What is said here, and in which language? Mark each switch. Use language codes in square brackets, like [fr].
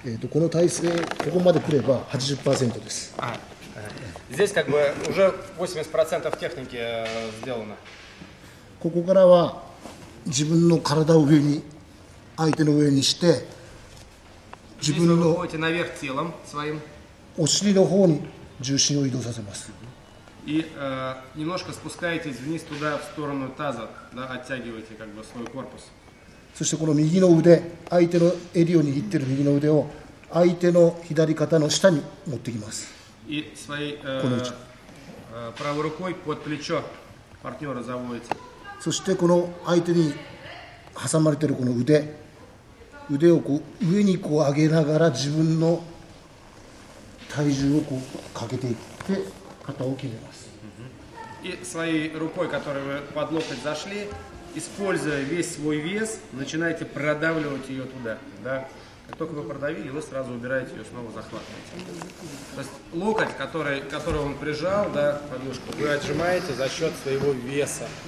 [ja] この体勢ここまで来れば 80% です。 [ru] Здесь как бы уже 80% техники сделано。 [ja] ここからは自分の体を上に相手の上にして自分の置いて [ru] наверх телом своим。 [ja] お尻の方に重心を移動させます。 [ru] И немножко спускаетесь вниз туда в сторону таза, да, оттягиваете как бы свой корпус。 [ja] そしてこの右の腕、相手の襟を握っている右の腕を相手の左肩の下に持ってきます。この位置。 [ru] Правой рукой под плечо партнера заводите。 [ja] そしてこの相手に挟まれているこの腕、腕をこう上にこう上げながら自分の体重をこうかけていって肩を決めます。 [ru] И своей рукой, которую вы под локоть зашли。 Используя весь свой вес, начинаете продавливать ее туда. Да? Как только вы продавили, вы сразу убираете ее, снова захватываете. То есть локоть, который он прижал, да, подушку, вы отжимаете за счет своего веса.